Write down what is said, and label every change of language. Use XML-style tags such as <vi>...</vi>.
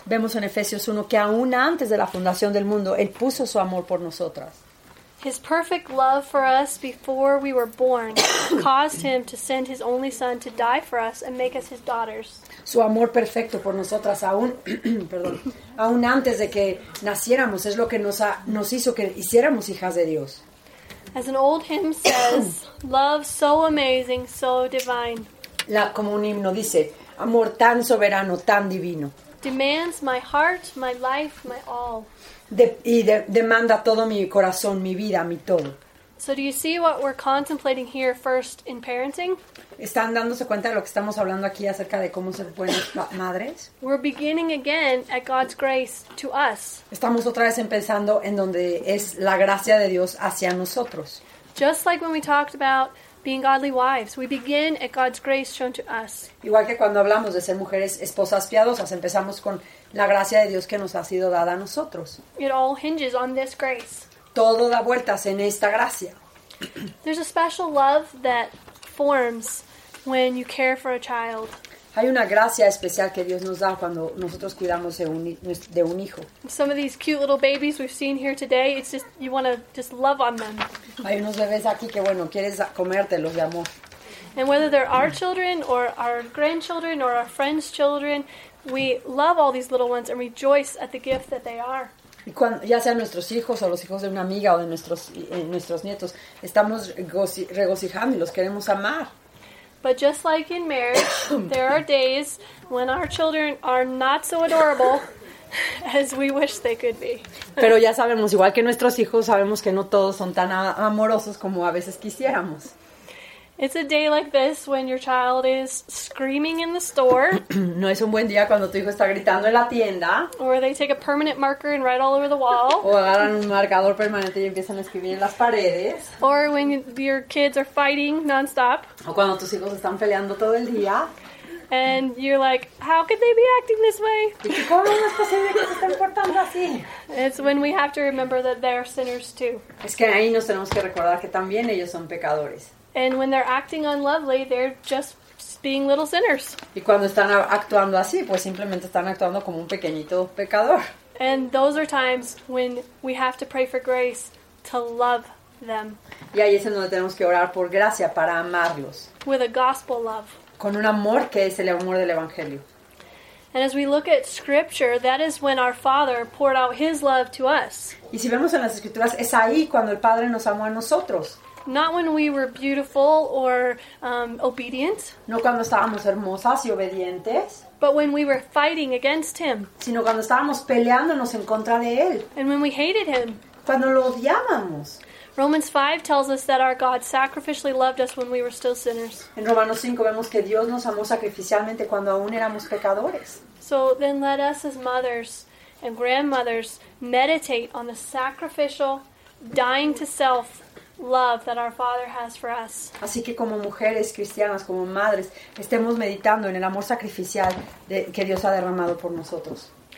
<es>Vemos en Efesios 1 que aún antes de la fundación del mundo, Él puso su amor por nosotras.</es> <en>His perfect love for us before we were born caused Him to send His only Son to die for us and make us His daughters.</en> <es>Su amor perfecto por nosotras aún antes de que naciéramos es lo que nos hizo que hiciéramos hijas de Dios.</es> <en>As an old hymn says, love so amazing, so divine.</en> <es>Como un himno dice, amor tan soberano, tan divino.</es> <en>Demands my heart, my life, my all.</en> <es>Demanda todo mi corazón, mi vida, mi todo.</es> <en>So do you see what we're contemplating here first in parenting?</en> <es>¿Están dándose cuenta de lo que estamos hablando aquí acerca de cómo ser buenas madres?</es> <en>We're beginning again at God's grace to us.</en> <es>Estamos otra vez empezando en donde es la gracia de Dios hacia nosotros.</es> <en>Just like when we talked about being godly wives, we begin at God's grace shown to us.</en> <es>Igual que cuando hablamos de ser mujeres esposas piadosas, empezamos con la gracia de Dios que nos ha sido dada a nosotros.</es> <en>It all hinges on this grace.</en> <es>Todo da vueltas en esta gracia.</es> <en>There's a special love that forms when you care for a child.</en> <es>Hay una gracia especial que Dios nos da cuando nosotros cuidamos de un hijo.</es> <en>Some of these cute little babies we've seen here today, it's just you want to just love on them.</en> <es>Hay unos bebés aquí que bueno, quieres comértelos de amor.</es> <en>And whether they're our children or our grandchildren or our friends' children, we love all these little ones and rejoice at the gift that they are.</en> <es>Y cuando, ya sean nuestros hijos o los hijos de una amiga o de nuestros nietos, estamos regocijando y los queremos amar.</es> <en>But just like in marriage, there are days when our children are not so adorable as we wish they could be.</en> <es>Pero ya sabemos, igual que nuestros hijos, sabemos que no todos son tan amorosos como a veces quisiéramos.</es> <en>It's a day like this when your child is screaming in the store.</en> <es>No es un buen día cuando tu hijo está gritando en la tienda.</es> <en>Or they take a permanent marker and write all over the wall.</en> <es>O agarran un marcador permanente y empiezan a escribir en las paredes.</es> <en>Or when your kids are fighting nonstop.</en> <es>O cuando tus hijos están peleando todo el día.</es> <en>And you're like, how could they be acting this way?</en> <es>¿Cómo es posible que se estén portando así?</es> <en>It's when we have to remember that they're sinners too.</en> <es>Es que ahí nos tenemos que recordar que también ellos son pecadores.</es> <en>And when they're acting unlovely, they're just being little sinners.</en> <es>Y cuando están actuando así, pues simplemente están actuando como un pequeñito pecador.</es> <en>And those are times when we have to pray for grace to love them.</en> <es>Y ahí es en donde tenemos que orar por gracia para amarlos.</es> <en>With a gospel love.</en> <es>Con un amor que es el amor del evangelio.</es> <en>And as we look at scripture, that is when our Father poured out his love to us.</en> <es>Y si vemos en las escrituras, es ahí cuando el Padre nos amó a nosotros.</es> <en>Not when we were beautiful or obedient.</en> <es>No cuando estábamos hermosas y obedientes.</es> <en>But when we were fighting against him.</en> <es>Sino cuando estábamos peleándonos en contra de él.</es> <en>And when we hated him.</en> <es>Cuando lo odiábamos.</es> <en>Romans 5 tells us that our God sacrificially loved us when we were still sinners.</en> <es>En Romanos 5 vemos que Dios nos amó sacrificialmente cuando aún éramos pecadores.</es> <en>So then let us as mothers and grandmothers meditate on the sacrificial, dying to self love that our Father has for us.</en> <es>Así que como mujeres cristianas, como madres, estemos meditando en el amor sacrificial que Dios ha derramado por nosotros.</es>